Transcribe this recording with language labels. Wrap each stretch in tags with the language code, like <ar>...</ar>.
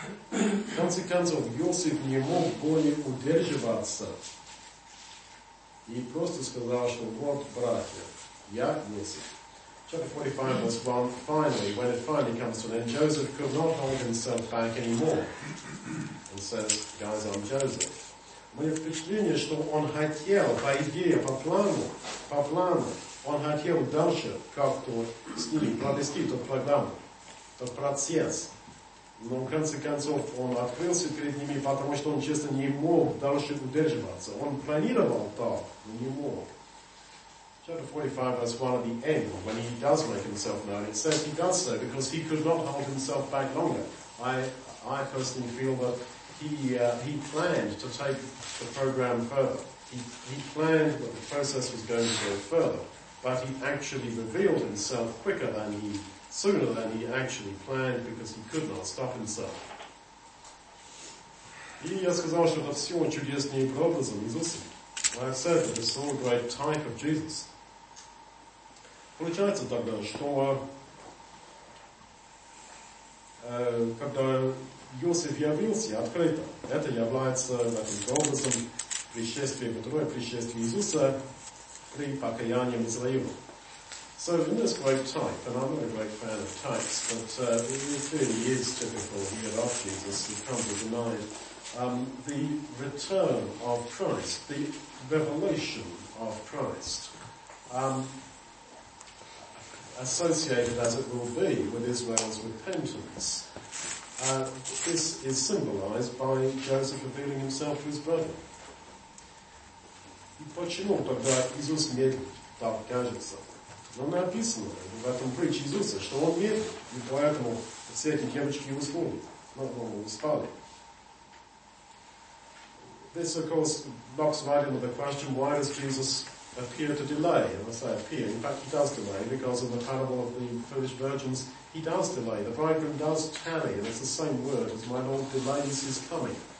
<ru>В конце концов, Иосиф не мог более удерживаться и просто сказал, что вот, братья, я Иосиф.</ru> <en>Chapter 45, verse 1, finally, when it finally comes to an end, Joseph could not hold himself back anymore and says, guys, I'm Joseph.</en> <ru>У меня впечатление, что он хотел, по идее, по плану, он хотел дальше как-то с ними провести эту программу, этот процесс. Но в конце концов он открылся перед ними, потому что он, честно, не мог дальше удерживаться. Он планировал так, но не мог.</ru> <en>Chapter 45, verse 1, at the end, when he does make himself known, it says he does so because he could not hold himself back longer. I personally feel that he planned to take the program further. He planned that the process was going to go further, but he actually revealed himself quicker than he sooner than he actually planned because he could not stop himself.</en> <ru>И я сказал, что это все чудеснее образом Иисуса.</ru> <en>I have said that this is all a great type of Jesus.</en> <ru>Получается тогда, что когда Иосиф явился открыто, это является таким образом пришествия, второе пришествие Иисуса при покаянии Израиля.</ru> <en>So in this great type, and I'm not a great fan of types, but it really is typical here of Jesus, who comes to deny the return of Christ, the revelation of Christ, associated as it will be with Israel's repentance. This is symbolized by Joseph revealing himself to his brother.</en> <ru>И почему тогда Иисус медлит, так кажется? Но написано в этом притче Иисуса, что он медлит, и поэтому все эти девочки уснули, спали.</ru> <en>This, of course, knocks right into the question, why does Jesus appear to delay? And I say appear, in fact he does delay, because of the parable of the foolish virgins, he does delay. The bridegroom does tarry, and it's the same word as my Lord delays his coming.</en>